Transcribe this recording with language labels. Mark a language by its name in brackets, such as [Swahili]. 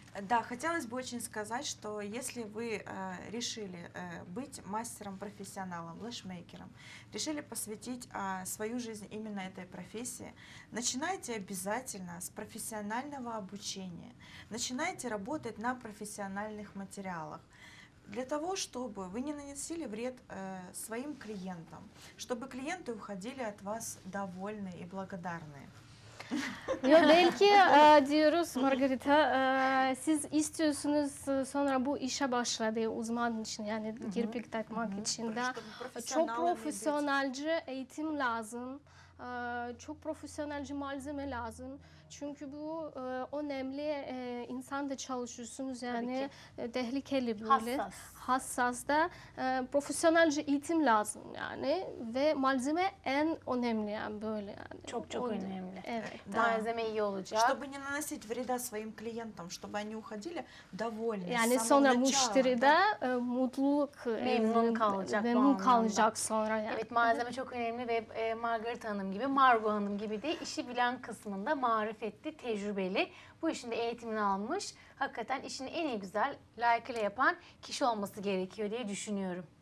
[Russian] Да, хотелось бы очень сказать, что если вы решили быть мастером-профессионалом, лэшмейкером, решили посвятить свою жизнь именно этой профессии, начинайте обязательно с профессионального обучения, начинайте работать на профессиональных материалах. Для того, чтобы вы не нанесли вред своим клиентам, чтобы клиенты уходили от вас довольны и благодарны. [Turkish] Yo, belki diyoruz Margarita, siz istiyorsunuz sonra bu işe başladı uzman için yani kirpik takmak için de çok profesyonelce eğitim lazım, çok profesyonelce malzeme lazım. Çünkü bu önemli, insan da çalışıyorsunuz yani tehlikeli böyle, hassas da profesyonelce eğitim lazım yani ve malzeme en önemli yani böyle yani. Çok çok önemli. Evet. Malzeme iyi olacak. [Russian] Чтобы не наносить вреда своим клиентам, чтобы они уходили довольны. [Turkish] Yani sonra müşteri de mutluluk, memnun kalacak. Memnun kalacak sonra yani. Evet, malzeme çok önemli ve Margaret Hanım gibi, Margo Hanım gibi de işi bilen kısmında marifetli, tecrübeli, bu işin de eğitimini almış, hakikaten işini en iyi güzel, layıkıyla yapan kişi olması gerekiyor diye düşünüyorum.